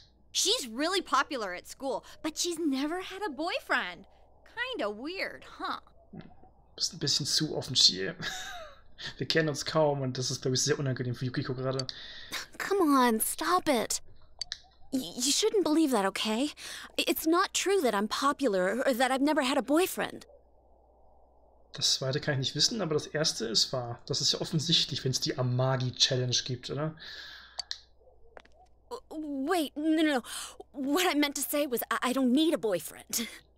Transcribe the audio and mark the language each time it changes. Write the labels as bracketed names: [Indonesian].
[English] She's really popular at school, but she's never had a boyfriend. Kinda weird, huh? [German] Bist ein bisschen zu offen, Chie. Wir kennen uns kaum und das ist, glaube ich, sehr unangenehm für Yukiko gerade. [English] Come on, stop it. You shouldn't believe that, okay? It's not true that I'm popular or that I've never had a boyfriend. [German] Das zweite kann ich nicht wissen, aber das erste ist wahr. Das ist ja offensichtlich, wenn es die Amagi-Challenge gibt, oder? [English] Wait, no. What I meant to say was I don't need a boyfriend.